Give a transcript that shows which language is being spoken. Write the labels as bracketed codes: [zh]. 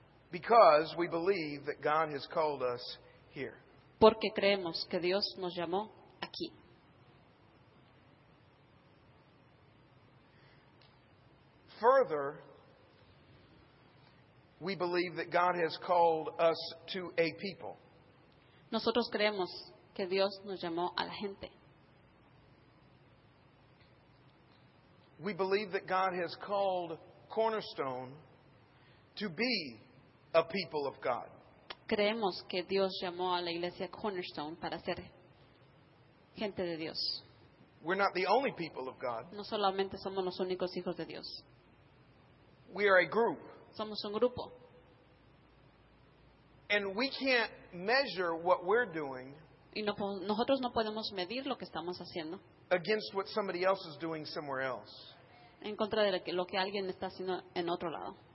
[en] Because we believe that God has called us here. [es] Porque creemos que Dios nos llamó aquí. [en] Further, we believe that God has called us to a people. [es] Nosotros creemos que Dios nos llamó a la gente. [en] We believe that God has called Cornerstone to be a people of God. [es] Creemos que Dios llamó a la iglesia Cornerstone para ser gente de Dios. [en] We're not the only people of God. [es] No solamente somos los únicos hijos de Dios. [en] We are a group. [es] Somos un grupo. [en] And we can't measure what we're doing. [es] Y no, nosotros no podemos medir lo que estamos haciendo. [en] Against what somebody else is doing somewhere else. [es] En contra de lo que alguien está haciendo en otro lado.